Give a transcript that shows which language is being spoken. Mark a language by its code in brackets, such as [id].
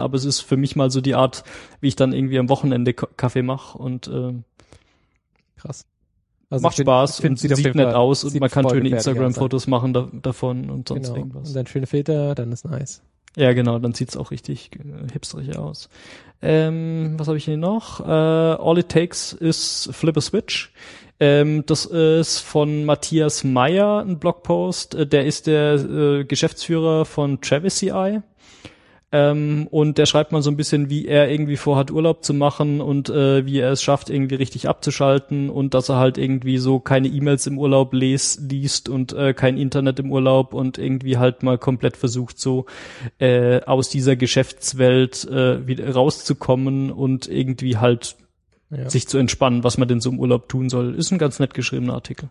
[de] Aber es ist für mich mal so die Art, wie ich dann irgendwie am Wochenende Kaffee mache und krass. Also macht Spaß und sieht nett aus und man kann schöne Instagram-Fotos machen davon und sonst irgendwas. Und dann schöne Filter, dann ist nice. Ja, genau, dann sieht's auch richtig hipsterig aus. Was habe ich hier noch? [en] All it takes is flip a switch. [de] Das ist von Matthias Meyer ein Blogpost. Der ist der Geschäftsführer von Travis CI. Und der schreibt mal so ein bisschen, wie er irgendwie vorhat, Urlaub zu machen und wie er es schafft, irgendwie richtig abzuschalten und dass er halt irgendwie so keine E-Mails im Urlaub liest und kein Internet im Urlaub und irgendwie halt mal komplett versucht, so aus dieser Geschäftswelt wieder rauszukommen und irgendwie halt sich zu entspannen, was man denn so im Urlaub tun soll. Ist ein ganz nett geschriebener Artikel.